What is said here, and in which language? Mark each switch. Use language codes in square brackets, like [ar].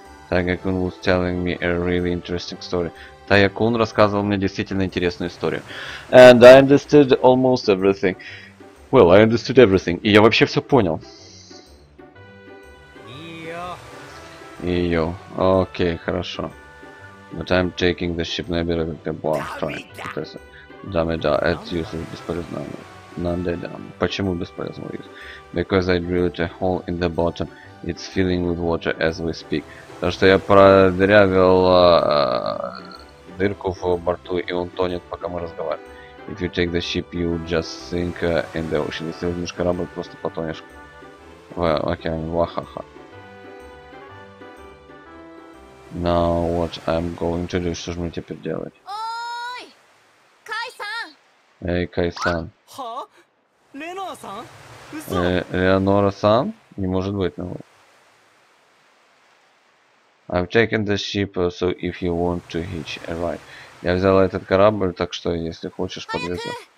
[en] Тайгакун was telling me a really interesting story. [ru] Тайгакун рассказывал мне действительно интересную историю. [en] And I understood almost everything. Well, I understood everything. [ru] И я вообще все понял. Йо. Окей, хорошо. [en] But I'm taking the ship nebula with the bar time. [ja] Dame da, [en] it's useless, [ru] бесполезно. [ja] Nande da. [ru] Почему бесполезно? [en] Because I drilled a hole in the bottom. It's filling with water as we speak. [ru] Потому что я продырявил дырку в борту, и он тонет, пока мы разговариваем. [en] If you take the ship, you just sink in the ocean. [ru] Если возьмешь корабль, просто потонешь в океане. Вахаха. [en] Now what I'm going to do? [ru] Что же мне теперь делать? Ой, Кай-сан! Эй, Кай-сан! Ха? Леонора-сан? Леонора-сан? Не может быть, ну. [en] I've taken the ship, so if you want to hitch a ride. [ru] Я взяла этот корабль, так что если хочешь, подлезай.